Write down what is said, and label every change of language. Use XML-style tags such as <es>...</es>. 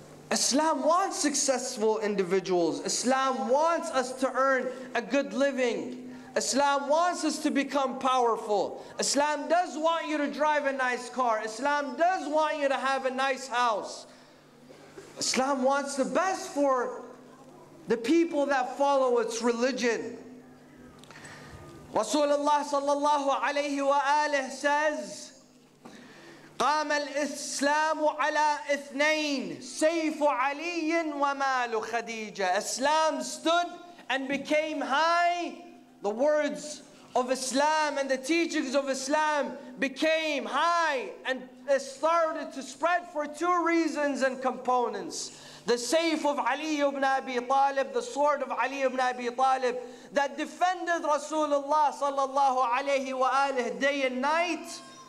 <en>Islam wants successful individuals. Islam wants us to earn a good living. Islam wants us to become powerful. Islam does want you to drive a nice car. Islam does want you to have a nice house. Islam wants the best for the people that follow its religion. Rasulullah sallallahu alayhi wa alihi says,</en> <ar>قام الإسلام على اثنين سيف علي ومال خديجة.</ar> <en>Islam stood and became high. The words of Islam and the teachings of Islam became high and started to spread for two reasons and components. The Saif of Ali ibn Abi Talib, the sword of Ali ibn Abi Talib that defended Rasulullah sallallahu alayhi wa alihi day and night.</en>